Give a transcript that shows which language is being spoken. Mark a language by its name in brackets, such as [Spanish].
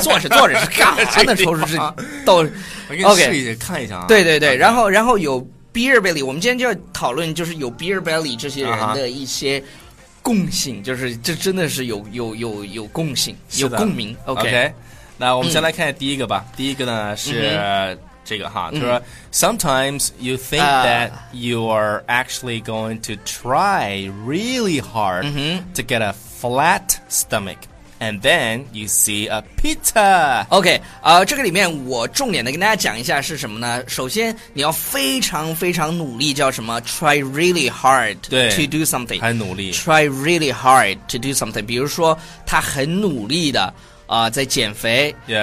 [Chinese] 坐着是干啥呢？抽出这刀，我给你试一下、看一下啊。对对对，然后有 beer belly， 我们今天就要讨论就是有 beer belly 这些人的一些。共性，就是这真的是有共性，有共鸣。 Okay， 那我们先来看第一个吧。第一个呢是这个哈，他说 [English] ，Sometimes you think that you are actually going to try really hard to get a flat stomach, and then you see a pizza. [Chinese] Okay， 这个里面我重点的跟大家讲一下是什么呢？首先你要非常非常努力，叫什么 ？ [English] Try really hard to do something， [Chinese] 很努力。 [English] Try really hard to do something， [Chinese] 比如说他很努力的。在减肥